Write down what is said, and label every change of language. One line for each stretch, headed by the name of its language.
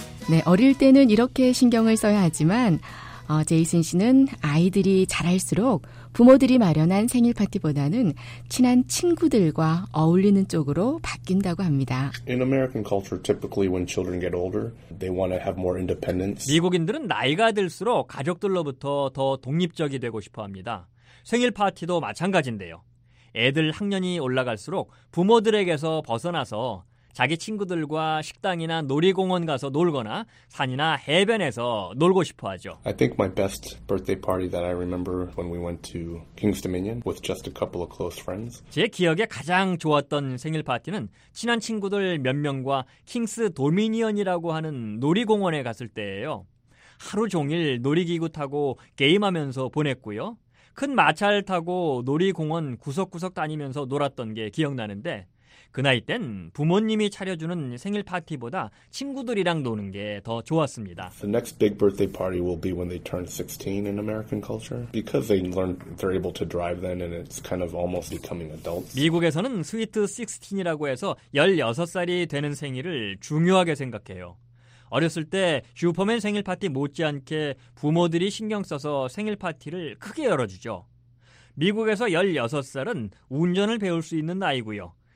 Korean: 네, 어릴 때는 이렇게 신경을 써야 하지만 제이슨 씨는 아이들이 자랄수록 부모들이 마련한 생일 파티보다는 친한 친구들과 어울리는 쪽으로 바뀐다고 합니다.
English: In American culture, typically when children get older, they want to have more independence.
Korean: 미국인들은 나이가 들수록 가족들로부터 더 독립적이 되고 싶어 합니다. 생일 파티도 마찬가지인데요. 애들 학년이 올라갈수록 부모들에게서 벗어나서 자기 친구들과 식당이나 놀이공원 가서 놀거나 산이나 해변에서 놀고 싶어 하죠.
English: I think my best birthday party that I remember when we went to King's Dominion with just a couple of close friends.
Korean: 제 기억에 가장 좋았던 생일 파티는 친한 친구들 몇 명과 킹스 도미니언이라고 하는 놀이공원에 갔을 때예요. 하루 종일 놀이기구 타고 게임하면서 보냈고요. 큰 마차를 타고 놀이공원 구석구석 다니면서 놀았던 게 기억나는데 그 나이 땐 부모님이 차려주는 생일 파티보다 친구들이랑 노는 게 더 좋았습니다.
English: The next big birthday party will be when they turn 16 in American culture. Because they learn they're able to drive then and it's kind of almost becoming adults.
Korean: 미국에서는 스위트 16이라고 해서 16살이 되는 생일을 중요하게 생각해요. 어렸을 때 슈퍼맨 생일 파티 못지않게 부모들이 신경 써서 생일 파티를 크게 열어주죠. 미국에서 16살은 운전을 배울 수 있는 나이고요.